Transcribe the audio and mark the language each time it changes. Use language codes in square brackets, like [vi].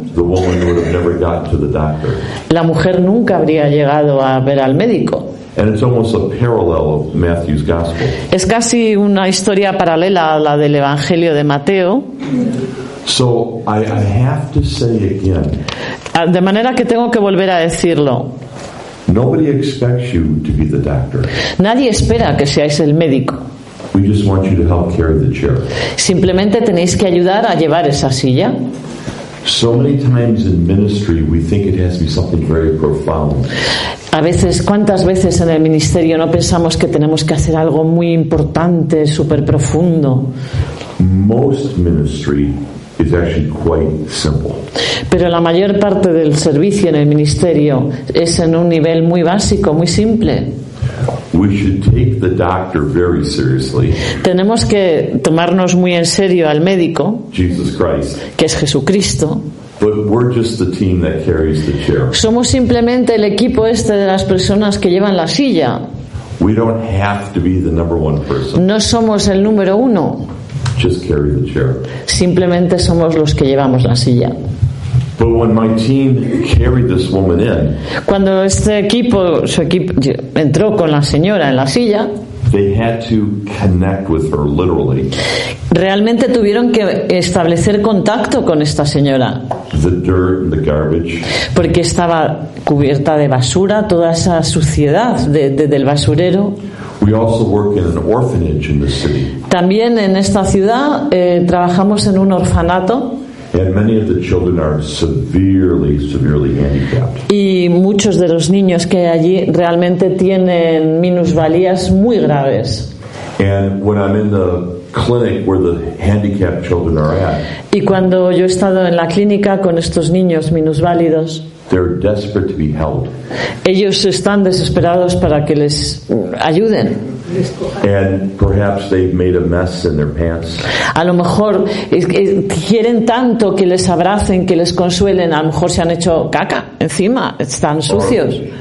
[en] the woman would have never gotten to the doctor. [es] La mujer nunca habría llegado a ver al médico. [en] And it's almost a parallel of Matthew's gospel. [es] Es casi una historia paralela a la del Evangelio de Mateo. [en] So I have to say again. [es] De manera que tengo que volver a decirlo. [en] Nobody expects you to be the doctor. [es] Nadie espera que seáis el médico. [en] We just want you to help carry the chair. [es] Simplemente tenéis que ayudar a llevar esa silla. [en] So many times in ministry we think it has to be something very profound. [es] A veces, ¿cuántas veces en el ministerio no pensamos que tenemos que hacer algo muy importante, súper profundo? [en] Most ministry is actually quite simple. [es] Pero la mayor parte del servicio en el ministerio es en un nivel muy básico, muy simple. [en] We should take the doctor very seriously. [es] Tenemos que tomarnos muy en serio al médico, [en] Jesus Christ, [es] que es Jesucristo. [en] But we're just the team that carries the chair. [es] Somos simplemente el equipo este de las personas que llevan la silla. [en] We don't have to be the number one person. [es] No somos el número uno. [en] Just carry the chair. [es] Simplemente somos los que llevamos la silla. [en] But when my team carried this woman in, [es] cuando este equipo, su equipo entró con la señora en la silla, [en] they had to connect with her literally. [es] Realmente tuvieron que establecer contacto con esta señora. [en] The dirt and the garbage. [es] Porque estaba cubierta de basura, toda esa suciedad del basurero. [en] We also work in an orphanage in the city. [es] También en esta ciudad trabajamos en un orfanato. [en] And many of the children are severely, severely handicapped. [es] Y muchos de los niños que hay allí realmente tienen minusvalías muy graves. [en] And when I'm in the clinic where the handicapped children are at, [es] y cuando yo he estado en la clínica con estos niños minusválidos, [en] they're desperate to be held. [es] Ellos están desesperados para que les ayuden. [en] And perhaps they've made a mess in their pants. [es] A lo mejor quieren tanto que les abracen, que les consuelen, a lo mejor se han hecho caca encima, están sucios.